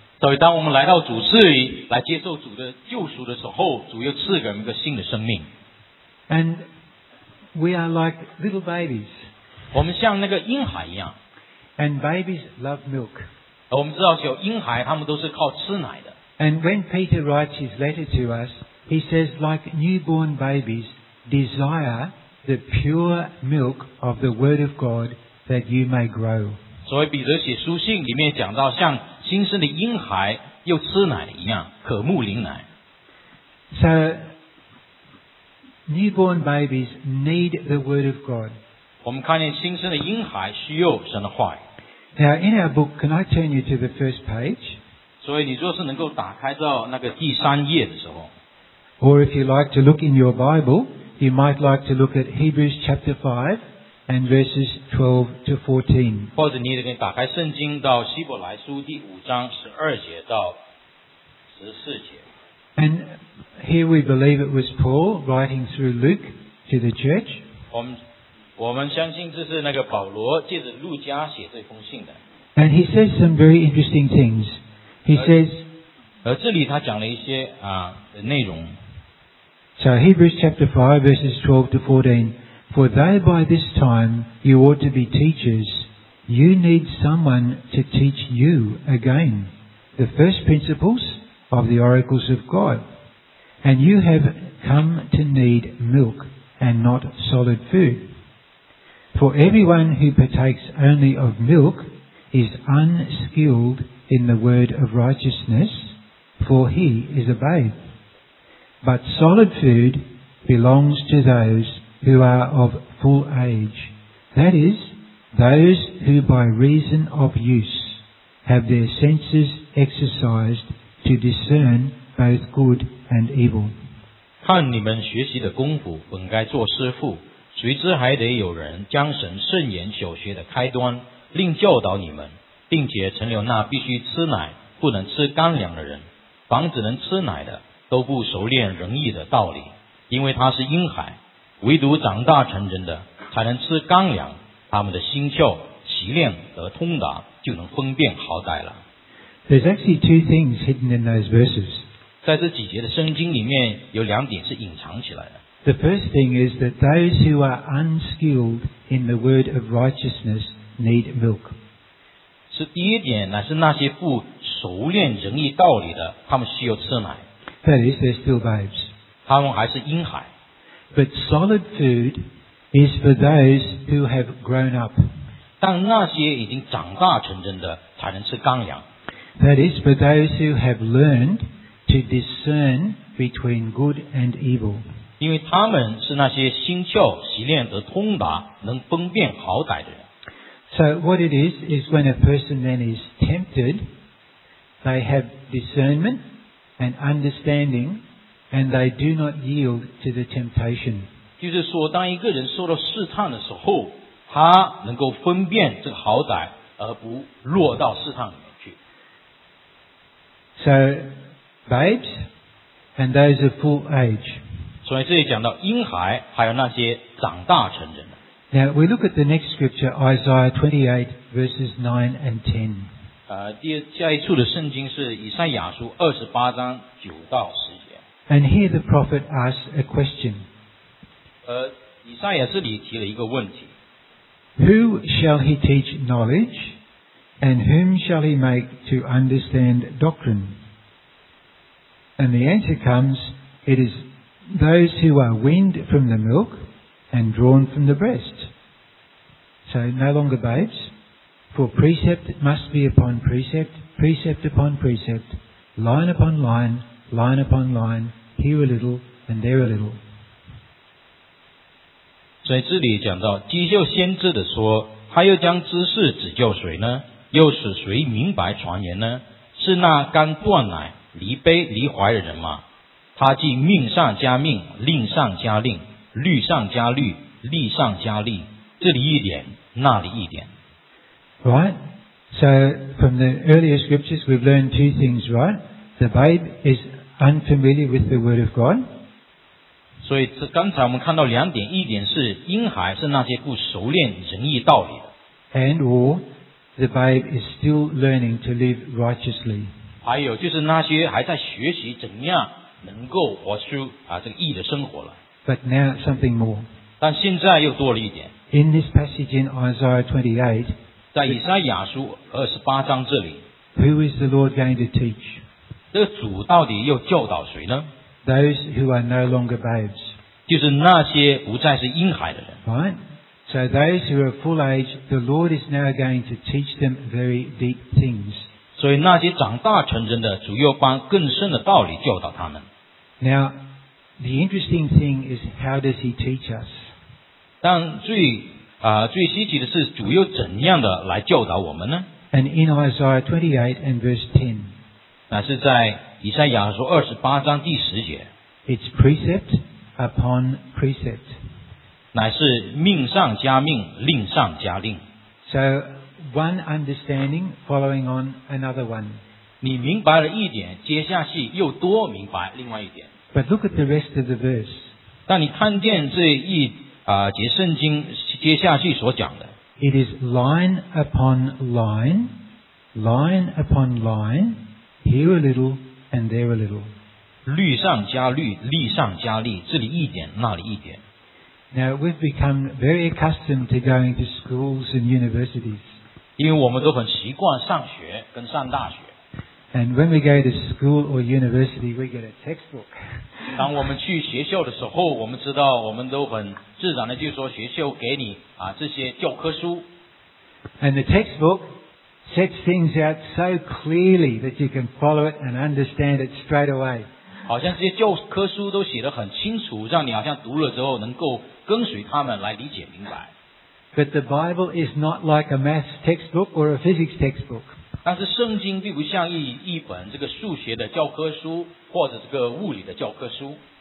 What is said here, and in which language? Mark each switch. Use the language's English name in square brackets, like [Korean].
[Chinese] 所以当我们来到主赐里来接受主的救赎的时候，主又赐给我们一个新的生命。 [English] And we are like little babies. [Chinese] 我们像那个婴孩一样。 [English] And babies love milk. [Chinese] 我们知道有婴孩，他们都是靠吃奶的。 [English] And when Peter writes his letter to us, he says, like newborn babies, desire the pure milk of the Word of God that you may grow. [Chinese] 所以彼得写书信里面讲到，像新生的婴孩又吃奶一样，渴慕灵奶。 [English] So newborn babies need the Word of God. [Chinese] 我们看见新生的婴孩需要神的话语。 [English] Now in our book, can I turn you to the first page? [Chinese] 所以你若是能够打开到那个第三页的时候。 [English] Or if you like to look in your Bible, you might like to look at Hebrews chapter 5. And verses 12 to 14. [Chinese] 或者你可以打开圣经到希伯来书第五章十二节到十四节。 [English] And here we believe it was Paul writing through Luke to the church. [Chinese] 我们相信这是那个保罗借着路加写这封信的。 [English] And he says some very interesting things. He says, [Chinese] 而这里他讲了一些的内容。 [English] So Hebrews chapter 5 verses 12 to 14. For though by this time you ought to be teachers, you need someone to teach you again the first principles of the oracles of God. And you have come to need milk and not solid food. For everyone who partakes only of milk is unskilled in the word of righteousness, for he is a babe. But solid food belongs to thosewho are of full age, that is, those who by reason of use have their senses exercised to discern both good and evil. [Chinese] 看你们学习的功夫本该做师父，谁知还得有人将神圣言所学的开端另教导你们，并且存留那必须吃奶不能吃干粮的人，凡只能吃奶的都不熟练仁义的道理，因为他是婴孩，唯独长大成人的才能吃干粮，他们的心窍习练得通达，就能分辨好歹了。 [English] There's actually two things hidden in those verses. [Chinese] 在这几节的圣经里面有两点是隐藏起来的。 [English] The first thing is that those who are unskilled in the word of righteousness need milk. [Chinese] 是第一点，乃是那些不熟练仁义道理的，他们需要吃奶。 [English] That is, they're still babes. [Chinese] 他们还是婴孩。 [English] But solid food is for those who have grown up. [Chinese] 但那些已经长大成人的才能吃干粮。 [English] That is for those who have learned to discern between good and evil. [Chinese] 因为他们是那些心窍习练得通达，能分辨好歹的人。 [English] So what it is when a person then is tempted, they have discernment and understanding. And they do not yield to the temptation. [Chinese] 就是说，当一个人受到试探的时候，他能够分辨这个好歹，而不落到试探里面去。 [English] So, babes and those of full age. [Chinese] 所以这里讲到婴孩，还有那些长大成人的。 [English] Now we look at the next scripture, Isaiah 28 verses 9 and 10. [Chinese] 下一处的圣经是以赛亚书28章9到10。 [English] And here the prophet asks a question. [Chinese] 以赛亚这里提了一个问题。 [English] Who shall he teach knowledge, and whom shall he make to understand doctrine? And the answer comes, it is those who are weaned from the milk and drawn from the breast. So no longer babes, for precept must be upon precept, precept upon precept, line upon line, line upon line,Here a little, and there a little. [Chinese] 所以这里讲到，基秀先知的说，他又将知识指教谁呢？又使谁明白传言呢？是那刚断奶、离杯、离怀的人吗？他既命上加命，令上加令，律上加律，力上加力，这里一点，那里一点。 [English] Right. So from the earlier scriptures, we've learned two things. Right. The babe is. Unfamiliar with the word of God. [Chinese] 所以这刚才我们看到两点，一点是婴孩是那些不熟练仁义道理的。 [English] And or the babe is still learning to live righteously. [Chinese] 还有就是那些还在学习怎样能够活出这个义的生活了。 [English] But now something more. [Chinese] 但现在又多了一点。 [English] In this passage in Isaiah 28, [Chinese] 在以赛亚书二十八章这里。 [English] Who is the Lord going to teach? [Chinese] 这个主到底又教导谁呢？ [English] Those who are no longer babes. [Chinese] 就是那些不再是婴孩的人。 [English] Right? So those who are full age, the Lord is now going to teach them very deep things. [Chinese] 所以那些长大成人的主要帮更深的道理教导他们。 [English] Now, the interesting thing is how does he teach us? [Chinese] 但最稀奇的是主要怎样的来教导我们呢？ [English] And in Isaiah 28 and verse 10, [Chinese] 那是在以赛亚书二十八章第十节。 [English] It's precept upon precept. [Chinese] 乃是命上加命，令上加令。 [English] So,One understanding following on another one. [Chinese] 你明白了一点，接下去又多明白另外一点。 [English] But look at the rest of the verse. [Chinese] 但你看见这一节圣经接下去所讲的。 [English] It is line upon line, line upon line, here a little and there a little. [Chinese] 律上加律，律上加律，这里一点，那里一点。 [English] Now we've become very accustomed to going to schools and universities. [Chinese] 因为我们都很习惯上学跟上大学。 [English] And when we go to school or university, we get a textbook. [Chinese] 当我们去学校的时候，我们知道我们都很自然的就说学校给你这些教科书。 [English] And the textbook sets things out so clearly that you can follow it and understand it straight away. [Chinese] 好像这些教科书都写得很清楚，让你好像读了之后能够跟随他们来理解明白。 [English] But the Bible is not like a math textbook or a physics textbook. [Chinese] 但是圣经并不像一本这个数学的教科书或者这个物理的教科书。